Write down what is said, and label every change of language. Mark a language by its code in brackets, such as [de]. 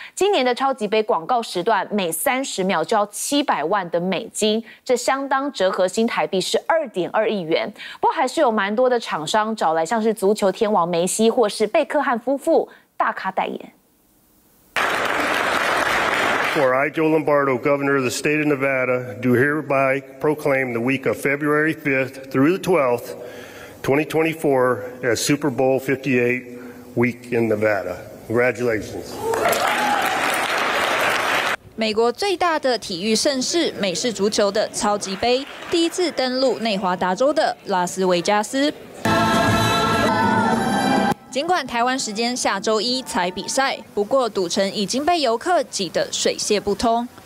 [zh] 今年的超级杯广告时段每30秒就要$700万，这相当折合新台币是2.2亿元。不过还是有蛮多的厂商找来像是足球天王梅西或是贝克汉夫妇大咖代言。 [en] For I, Joe Lombardo, Governor of the State of Nevada, do hereby proclaim the week of February 5th through the 12th, 2024, as Super Bowl 58 week in Nevada. Congratulations. [zh] 美国最大的体育盛事美式足球的超级杯第一次登陆内华达州的拉斯维加斯。尽管台湾时间下周一才比赛，不过赌城已经被游客挤得水泄不通。